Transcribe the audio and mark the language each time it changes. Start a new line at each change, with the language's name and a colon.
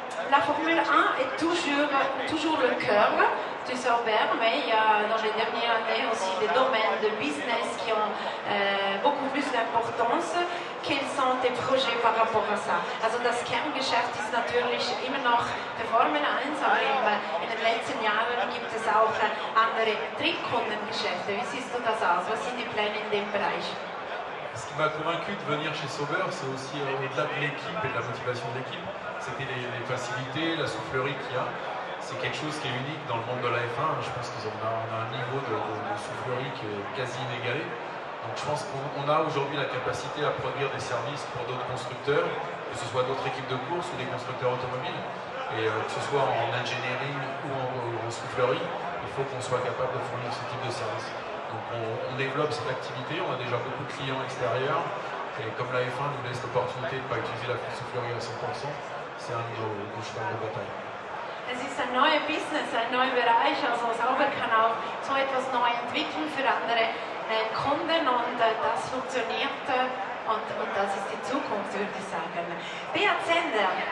French: La Formule 1 est toujours le cœur du Sauber, mais il y a dans les dernières années aussi des domaines de business qui ont beaucoup plus d'importance. Quels sont tes projets par rapport à ça?
German: Also das Kerngeschäft ist natürlich immer noch die Formel 1, aber in den letzten Jahren gibt es auch andere Drittkundengeschäfte. Wie siehst du das aus? Was sind die Pläne in dem Bereich?
French: Ce qui m'a convaincu de venir chez Sauber, c'est aussi au-delà de l'équipe et de la motivation de l'équipe. C'était les facilités, la soufflerie qu'il y a. C'est quelque chose qui est unique dans le monde de la F1. Je pense qu'on a un niveau de soufflerie qui est quasi inégalé. Donc je pense qu'on a aujourd'hui la capacité à produire des services pour d'autres constructeurs, que ce soit d'autres équipes de course ou des constructeurs automobiles. Et que ce soit en engineering ou en soufflerie, il faut qu'on soit capable de fournir ce type de service. Donc on développe cette activité, on a déjà beaucoup de clients extérieurs. Et comme la F1 nous laisse l'opportunité de ne pas utiliser la soufflerie à 100%,
German: Es ist ein neuer Business, ein neuer Bereich, also Sauber kann auch so etwas neu entwickeln für andere Kunden und das funktioniert und das ist die Zukunft, würde ich sagen. Beat Zender,